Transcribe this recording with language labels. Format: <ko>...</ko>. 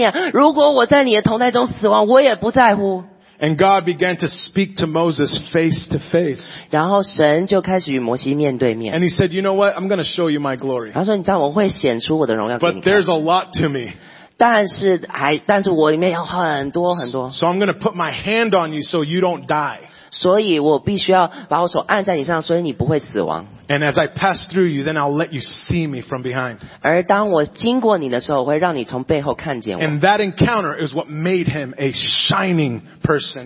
<zh>所以就像我们刚刚所唱的，我们渴望被炼净。摩西就是这样子，我不在乎，不管你是不是圣洁的力量，如果我在你的同在中死亡，我也不在乎。</zh> <en>And God began to speak to Moses face to face.</en> <zh>然后神就开始与摩西面对面。</zh> <en>And he said, you know what? I'm going to show you my glory.</en> <zh>他说，你知道我会显出我的荣耀给你看。</zh> <en>But there's a lot to me.</en> <zh>但是我里面有很多很多。</zh> <en>So I'm going to put my hand on you so you don't die.</en> <zh>所以我必须要把我手按在你上，所以你不会死亡。</zh> <en>And as I pass through you, then I'll let you see me from behind.</en> <zh>而当我经过你的时候，我会让你从背后看见我。</zh> <en>And that encounter is what made him a shining person.</en>